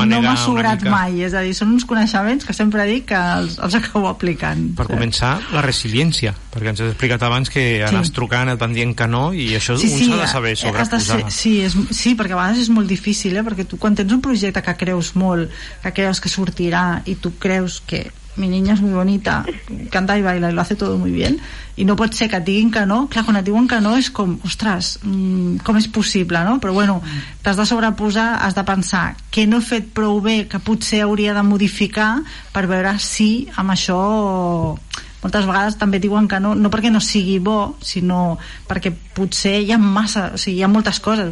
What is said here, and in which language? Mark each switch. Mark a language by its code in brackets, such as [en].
[ca] Això no m'ha sobrat mai, és a dir, són uns coneixements que sempre dic que els acabo aplicant. Per començar, la resiliència, perquè ens has explicat abans que anàs trucant, et van dient que no, i això un s'ha de saber sobreposar. Sí, perquè a vegades és molt difícil, perquè tu quan tens un projecte que creus molt, que creus que sortirà, i tu creus que... [es] mi niña es muy bonita, canta y baila y lo hace todo muy bien, y [ca] no pot ser que et diguin que no. Clar, quan et diuen que no és com, ostres, com és possible, no? Però bueno, t'has de sobreposar, has de pensar que no he fet prou bé, que potser hauria de modificar per veure si amb això... Moltes vegades també diuen que no, no perquè no sigui bo, sinó perquè potser hi ha massa, o sigui, hi ha moltes coses.